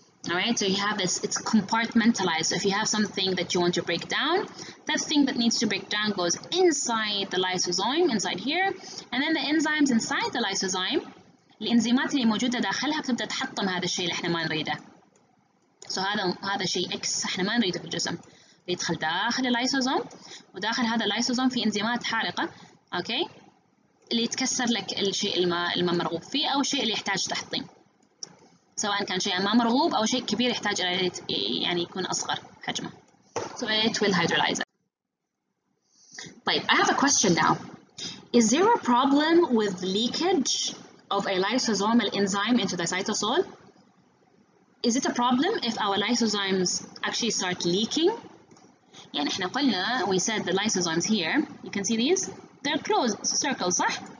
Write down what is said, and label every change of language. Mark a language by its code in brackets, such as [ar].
[en] Alright, so you have this, it's compartmentalized. So if you have something that you want to break down, that thing that needs to break down goes inside the lysosome, inside here, and then the enzymes inside the lysosome, [ar] الانزيمات اللي موجودة داخلها بتبدأ تحطم هذا الشيء اللي احنا ما نريده. So هذا شيء X احنا ما نريده في الجسم. بيدخل داخل اللايسوزوم وداخل هذا اللايسوزوم في انزيمات حارقة okay. اللي تكسر لك الشيء اللي ما مرغوب فيه او الشيء اللي يحتاج تحطيم. سواء كان شيء ما مرغوب او شيء كبير يحتاج الى يعني يكون اصغر حجمه. [en] So it will hydrolyze it. طيب, I have a question now. Is there a problem with leakage of a lysosomal enzyme into the cytosol? Is it a problem if our lysosomes actually start leaking? [ar] يعني احنا قلنا, [en] we said the lysosomes here, you can see these, they're closed circles, صح?